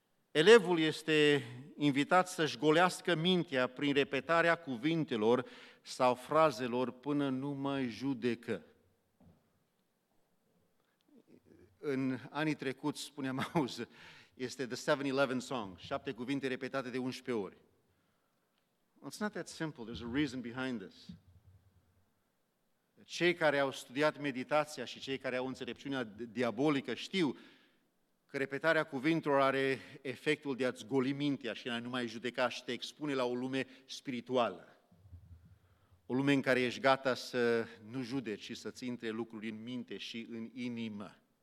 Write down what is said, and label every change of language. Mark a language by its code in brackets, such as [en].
[ro] Elevul este invitat să-și golească mintea prin repetarea cuvintelor sau frazelor până nu mai judecă. În anii trecuți, spuneam, auză, este The 7-Eleven Song, 7 cuvinte repetate de 11 ori. [en] It's not that simple, there's a reason behind this. [ro] Cei care au studiat meditația și cei care au înțelepciunea diabolică știu că repetarea cuvintelor are efectul de a-ți goli mintea și a nu mai judeca și te expune la o lume spirituală. O lume în care ești gata să nu judeci și să-ți intre lucruri în minte și în inimă.